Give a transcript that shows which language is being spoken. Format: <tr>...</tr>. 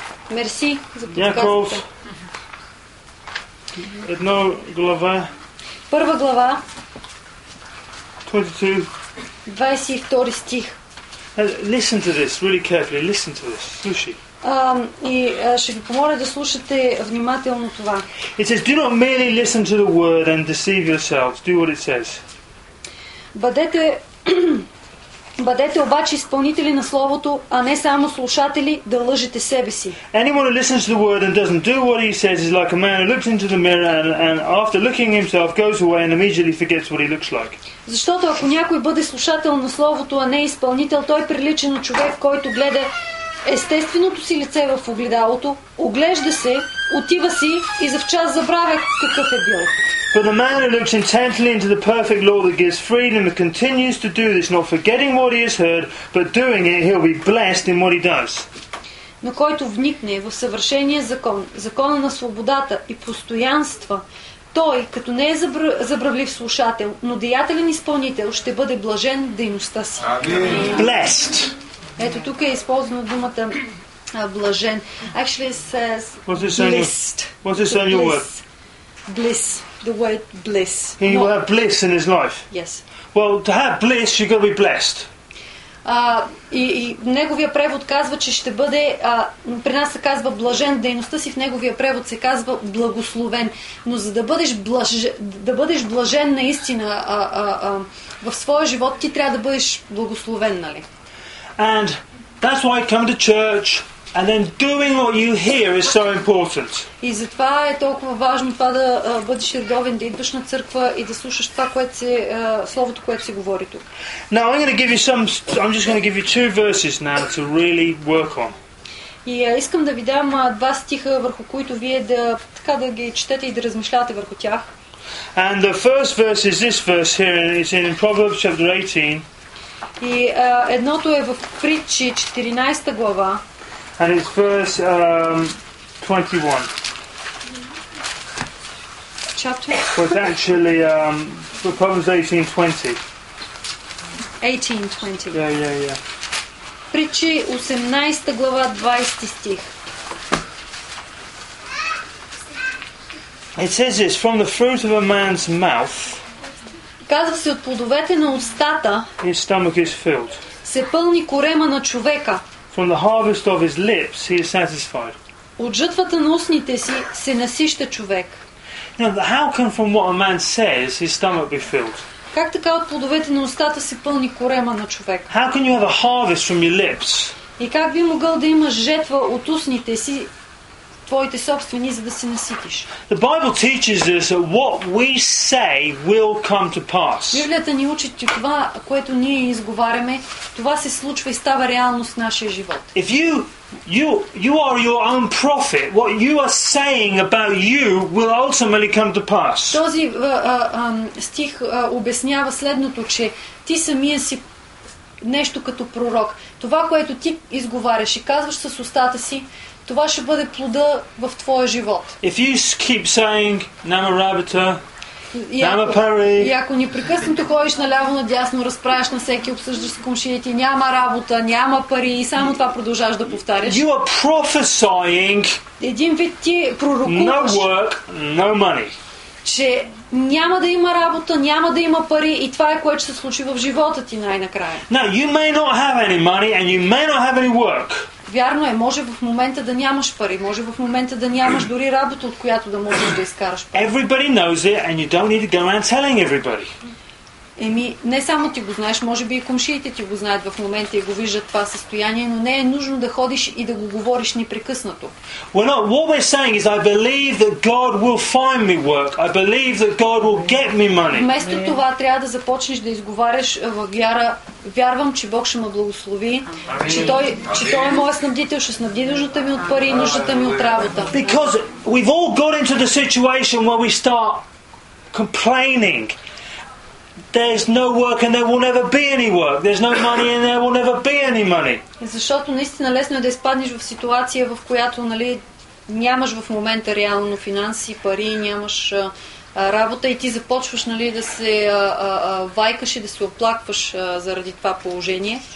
<bg>Мерси за Яков. Една глава. Първа глава. 22. 22 стих.</bg> <en>Listen to this, really carefully. Listen to this.</en> <bg>Слушай. Ще ви помоля да слушате внимателно това.</bg> <en>It says, do not merely listen to the word and deceive yourselves. Do what it says.</en> <bg>Бъдете обаче изпълнители на словото, а не само слушатели, да лъжете себе си.</bg> <en>Anyone who listens to the word and doesn't do what he says is like a man who looks into the mirror and after looking himself goes away and immediately forgets what he looks like.</en> <bg>Защото ако някой бъде слушател на словото, а не изпълнител, той прилича на човек, който гледа естественото си лице в огледалото, оглежда се, отива си и за в час забравя какъв е бил.</bg> <en>But the man who looks intently into the perfect law that gives freedom and continues to do this, not forgetting what he has heard, but doing it, he'll be blessed in what he does.</en> <bg>Но който вникне в съвършения закон, закона на свободата и постоянства, той, като не е забравлив слушател, но деятелен изпълнител, ще бъде блажен в дейността си.</bg> <en>Blessed.</en> <bg>Ето тук е използвана думата блажен.</bg> <en>Actually it says blessed. What's this on your word? Bliss. The word bliss. He will have bliss in his life. Yes. Well, to have bliss, you've got to be blessed.</en> <bg>И неговия превод казва, че ще бъде, при нас се казва блажен дейността си, в неговия превод се казва благословен. Но за да бъдеш, бъдеш блажен наистина в своя живот, ти трябва да бъдеш благословен, нали?</bg> <en>And that's why coming to church and then doing what you hear is so important.</en> <bg>И затова е толкова важно това да бъдеш редовен, да идваш на църква и да слушаш това, което се словото, което се говори тук.</bg> <en>Now I'm going to give you some I'm just going to give you two verses now to really work on.</en> <bg>И искам да ви дам два стиха, върху които вие да така да ги четете и да размишлявате върху тях.</bg> <en>And the first verse is this verse here and it's in Proverbs chapter 18.</en> <bg>И едното е в Притчи 14 глава.</bg> <en>And it's verse 21. Chapter. Well, it's actually Proverbs 18:20. 18:20. Yeah.</en> <bg>Притчи 18 глава 20 стих.</bg> <en>It says this, from the fruit of a man's mouth</en> <bg>Казва се от плодовете на устата.</bg> <en>His stomach is filled.</en> <bg>Се пълни корема на човека.</bg> <en>From the harvest of his lips, he is satisfied.</en> <bg>От жътвата на устните си се насища човек.</bg> <en>Now, how can from what a man says his stomach be filled?</en> <bg>Как така от плодовете на устата се пълни корема на човек?</bg> <en>How can you have a harvest from your lips?</en> <bg>И как би могъл да имаш жетва от устните си, твоите собствени, за да се наситиш?</bg> <en>The Bible teaches us that what we say will come to pass.</en> <bg>Библията ни учи, че това, което ние изговаряме, това се случва и става реалност в нашия живот.</bg> <en>If you are your own prophet, what you are saying about you will ultimately come to pass.</en> <bg>Този стих обяснява следното, че ти самия си нещо като пророк. Това, което ти изговаряш и казваш с устата си, това ще бъде плода в твоя живот.</bg> <en>If you keep saying</en> <bg>Nama Rabita, Nama Pari, и ако непрекъснато ходиш наляво надясно, разправяш на всеки, обсъждаш с комшиите, няма работа, няма пари и само това продължаваш да повтаряш.</bg> <en>You are prophesying.</en> <bg>Един вид ти пророкуваш.</bg> <en>No work, no money.</en> <bg>Че няма да има работа, няма да има пари и това е което ще се случи в живота ти най-накрая.</bg> <en>Now you may not have any money and you may not have any work.</en> <bg>Вярно е, може в момента да нямаш пари, може в момента да нямаш дори работа, от която да можеш да изкараш пари.</bg> <en>Everybody knows it and you don't need to go around telling everybody.</en> <bg>Еми, не само ти го знаеш, може би и комшиите ти го знаят в момента и го виждат това състояние, но не е нужно да ходиш и да го говориш непрекъснато.</bg> <en>Well, no, what we're saying is I believe that God will find me work. I believe that God will get me money.</en> <bg>Вместо това трябва да започнеш да изговаряш в вяра, вярвам, че Бог ще ме благослови, че той е моят снабдител, ще снабди нуждата ми от пари и нуждата ми от работа.</bg> <en>Because we've all got into the situation where we start complaining. There's no work and there will never be any work. There's no money and there will never be any money.</en> <bg>Защото наистина лесно е да изпаднеш в ситуация, в която, нали, нямаш в момента реално финанси, пари, нямаш работа и ти започваш, нали, да се вайкаш и да се оплакваш заради това положение.</bg>